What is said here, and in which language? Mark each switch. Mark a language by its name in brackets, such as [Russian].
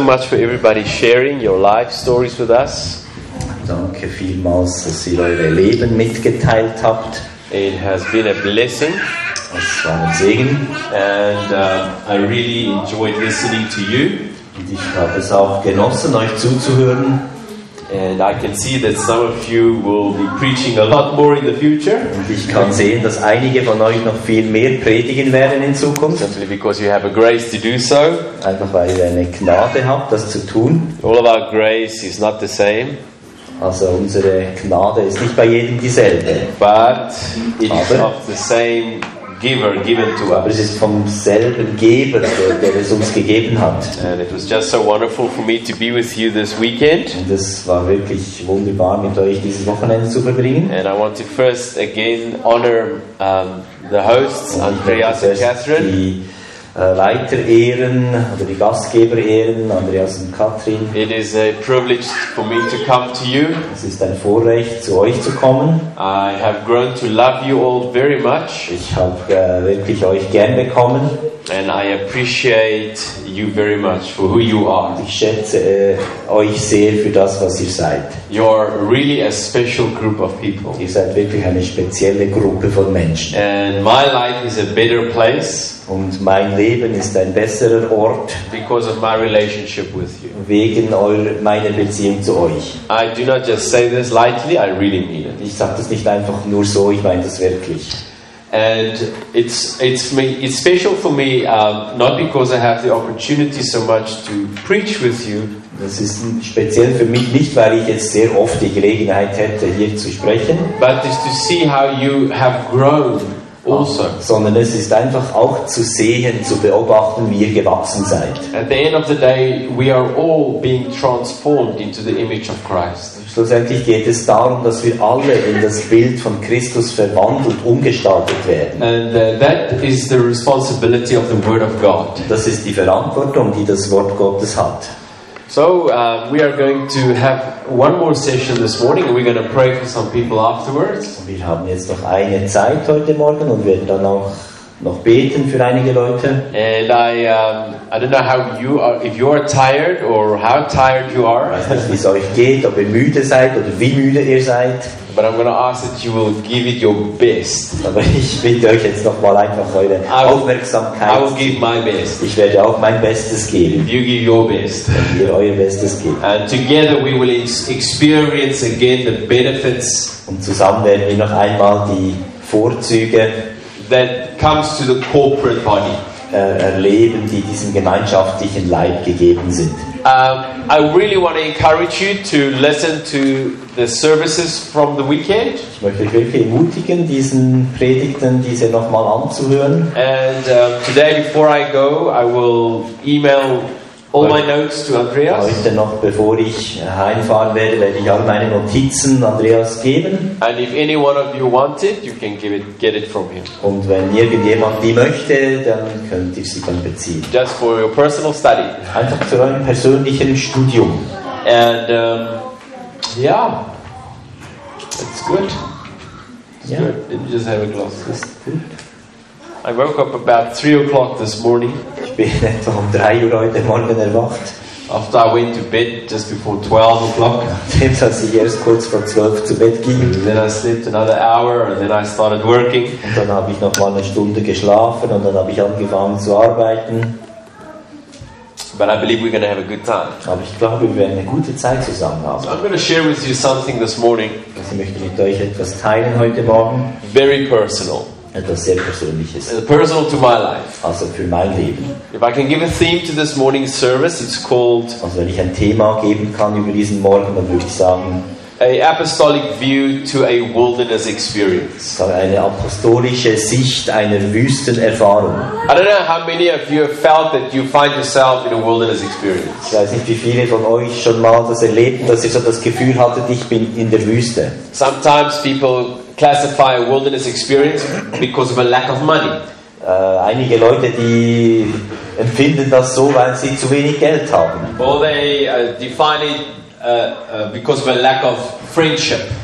[English] much for everybody sharing your life stories with us. [German] Danke vielmals, dass ihr eure Leben mitgeteilt habt. [English] It has been a blessing. [German] Es war ein Segen. [English] And I really enjoyed listening to you. [German] Und ich habe es auch genossen, euch zuzuhören. [English] And I can see that some of you will be preaching a lot more in the future. [German] Und ich kann sehen, dass einige von euch noch viel mehr predigen werden in Zukunft. [English] Simply because you have a grace to do so. [German] Einfach weil ihr eine Gnade habt, das zu tun. [English] All of our grace is not the same. [German] Also unsere Gnade ist nicht bei jedem dieselbe. [English] But it's of the same giver given to us. [German] Aber es ist vom selben Geber, der es uns gegeben hat. [English] And it was just so wonderful for me to be with you this weekend. [German] Und es war wirklich wunderbar, mit euch dieses Wochenende zu verbringen. [English] And I want to first again honor the hosts, Andreas and Catherine. [German] Die Leiter ehren oder die Gastgeber ehren, Andreas und Katrin. [English] It is a privilege for me to come to you. [German] Es ist ein Vorrecht, zu euch zu kommen. [English] I have grown to love you all very much. [German] Ich habe wirklich euch gern bekommen. [English] And I appreciate you very much for who you are. [German] Ich schätze euch sehr für das, was ihr seid. [English] You're really a special group of people. [German] Ihr seid wirklich eine spezielle Gruppe von Menschen. [English] And my life is a better place. [German] Und mein Leben ist ein besserer Ort. [English] Because of my relationship with you. [German] Wegen meiner Beziehung zu euch. [English] I do not just say this lightly, I really mean it. [German] Ich sage das nicht einfach nur so, ich meine das wirklich. [English] And it's special for me not because I have the opportunity so much to preach with you. [German] Das ist speziell für mich nicht, weil ich jetzt sehr oft die Gelegenheit hätte, hier zu sprechen. [English] But it's to see how you have grown also. [German] Sondern es ist einfach auch zu sehen, zu beobachten, wie ihr gewachsen seid. [English] At the end of the day, we are all being transformed into the image of Christ. [German] Schlussendlich geht es darum, dass wir alle in das Bild von Christus verwandelt, umgestaltet werden. [English] And that is the responsibility of the Word of God. [German] Das ist die Verantwortung, die das Wort Gottes hat. [English] So, we are going to have one more session this morning, and we're going to pray for some people afterwards. [German] Wir haben jetzt noch eine Zeit heute Morgen und werden dann auch noch beten für einige Leute. [English] And I don't know how you are, if you are tired or how tired you are. [German] Ich weiß nicht, wie es euch geht, ob ihr müde seid oder wie müde ihr seid. [English] But I'm going to ask that you will give it your best. [German] Aber ich bitte euch jetzt nochmal einfach eure Aufmerksamkeit. [English] I will give my best. [German] Ich werde auch mein Bestes geben. [English] If you give your best. [German] Wenn ihr euer Bestes gebt. [English] And together we will experience again the benefits. [German] Und zusammen werden wir noch einmal die Vorzüge [English] that comes to the corporate body. [German] Erleben, die diesem gemeinschaftlichen Leib gegeben sind. [English] I really want to encourage you to listen to the services from the weekend. [German] Ich möchte euch wirklich ermutigen, diesen Predigten diese nochmal anzuhören. [English] And today, before I go, I will email all my notes to Andreas. [German] Heute noch, bevor ich heimfahren werde, werde ich all meine Notizen Andreas geben. [English] And if any one of you want it, you can get it from him. [German] Und wenn irgendjemand die möchte, dann könnt ihr sie dann beziehen. [English] Just for your personal study. [German] Einfach zu eurem persönlichen Studium. [English] And yeah, it's good. Yeah. Let me just have a glass. It's good. I woke up about 3 o'clock this morning. [German] Ich bin etwa um 3 Uhr heute Morgen erwacht. [English] After I went to bed just before 12 o'clock. [German] Als ich erst kurz vor 12 zu Bett ging. [English] And then I slept another hour and then I started working. [German] Und dann habe ich nochmal eine Stunde geschlafen und dann habe ich angefangen zu arbeiten. [English] But I believe we're going to have a good time. [German] Aber ich glaube, wir werden eine gute Zeit zusammen haben. [English] So I'm going to share with you something this morning. [German] Also ich möchte mit euch etwas teilen heute Morgen. [English] Very personal. [German] Etwas sehr Persönliches. [English] Personal to my life. [German] Also für mein Leben. [English] If I can give a theme to this morning's service, it's called. [German] Also wenn ich ein Thema geben kann über diesen Morgen, dann würde ich sagen. [English] A apostolic view to a wilderness experience. [German] Eine apostolische Sicht einer Wüstenerfahrung. [English] I don't know how many of you have felt that you find yourself in a wilderness experience. [German] Ich weiß nicht, wie viele von euch schon mal das erlebten, dass ihr so das Gefühl hattet, ich bin in der Wüste. [English] Sometimes people classify a wilderness experience because of a lack of money. [German] Einige Leute, die empfinden das so, weil sie zu wenig Geld haben. [English] Or they define it because of a lack of friendship.